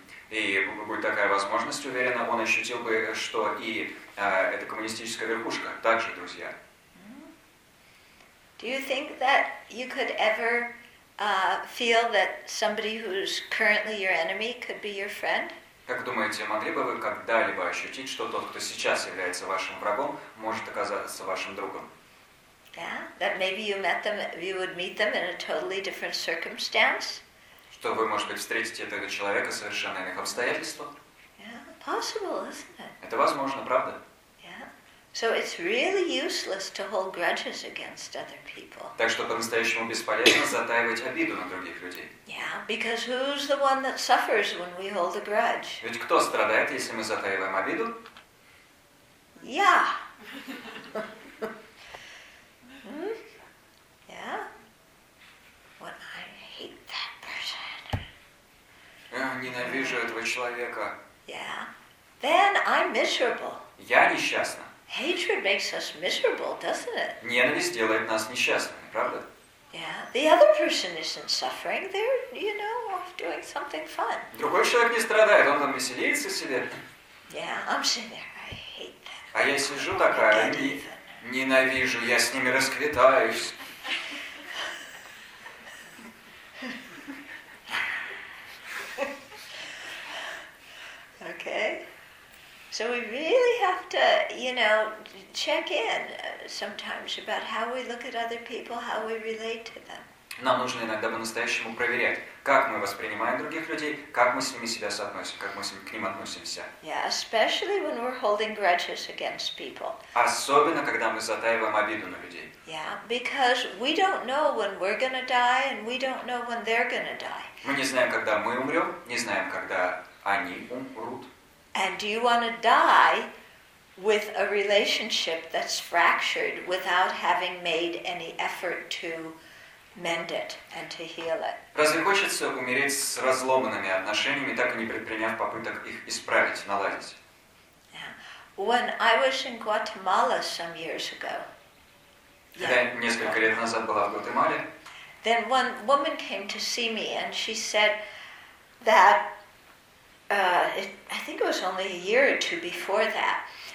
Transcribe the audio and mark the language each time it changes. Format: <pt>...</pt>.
<ru>И будет такая возможность, уверенно, он ощутил бы, что и эта коммунистическая верхушка также друзья.</ru> <en>Do you think that you could ever feel that somebody who's currently your enemy could be your friend?</en> <ru>Как думаете, могли бы вы когда-либо ощутить, что тот, кто сейчас является вашим врагом, может оказаться вашим другом?</ru> <en>Yeah, that maybe you would meet them in a totally different circumstance.</en> <ru>Что вы, может быть, встретите этого человека в совершенно иных обстоятельствах?</ru> <en>Yeah, possible, isn't it?</en> <ru>Это возможно, правда?</ru> <en>So it's really useless to hold grudges against other people.</en> <ru>Так что по-настоящему бесполезно затаивать обиду на других людей.</ru> <en>Yeah, because who's the one that suffers when we hold a grudge?</en> <ru>Ведь кто страдает, если мы затаиваем обиду?</ru> <en>Yeah. Yeah. What I hate that person.</en> <ru>Ненавижу этого человека.</ru> <en>Yeah. Then I'm miserable.</en> <ru>Я несчастна.</ru> <en>Hatred makes us miserable, doesn't it?</en> <ru>Ненависть делает нас несчастными, правда?</ru> <en>Yeah. The other person isn't suffering. They're, you know, off doing something fun.</en> <ru>Другой человек не страдает, он там веселится себе.</ru> <en>Yeah, I'm sitting there. I hate them.</en> <ru>А я сижу такая, ненавижу, я с ними расквитаюсь.</ru> <en>Okay. So we really have to, you know, check in sometimes about how we look at other people, how we relate to them.</en> <ru>Нам нужно иногда по-настоящему проверять, как мы воспринимаем других людей, как мы с ними себя соотносим, как мы к ним относимся.</ru> <en>Yeah, especially when we're holding grudges against people.</en> <ru>Особенно когда мы затаиваем обиду на людей.</ru> <en>Yeah, because we don't know when we're gonna die, and we don't know when they're gonna die.</en> <ru>Мы не знаем, когда мы умрем, не знаем, когда они умрут.</ru> <en>And do you want to die with a relationship that's fractured without having made any effort to mend it and to heal it?</en> <ru>Разве хочется умереть с разломанными отношениями, так и не предприняв попыток их исправить, наладить?</ru> <en>Yeah. When I was in Guatemala some years ago.</en> <ru>Когда я несколько лет назад была в Гватемале.</ru> <en>Then one woman came to see me and she said that I think it was only a year or two before that.</en>